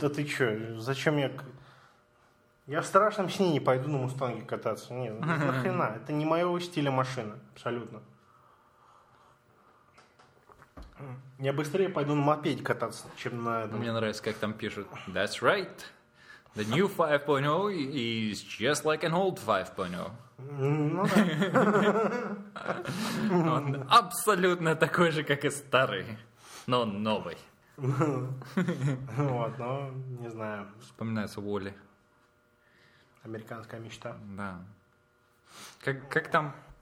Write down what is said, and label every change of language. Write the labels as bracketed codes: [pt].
[ru] Да ты что? Зачем я... Я в страшном сне не пойду на мустанге кататься. Нет, нахрена. Это не моего стиля машина. Абсолютно. Я быстрее пойду на мопеде кататься, чем на этом. Мне нравится, как там пишут. [en] That's right. The new 5.0 is just like an old 5.0. [ru] Ну да. Он абсолютно такой же, как и старый, но он новый. Ну вот, но не знаю. Вспоминается Уолли. Американская мечта. Да. Как там?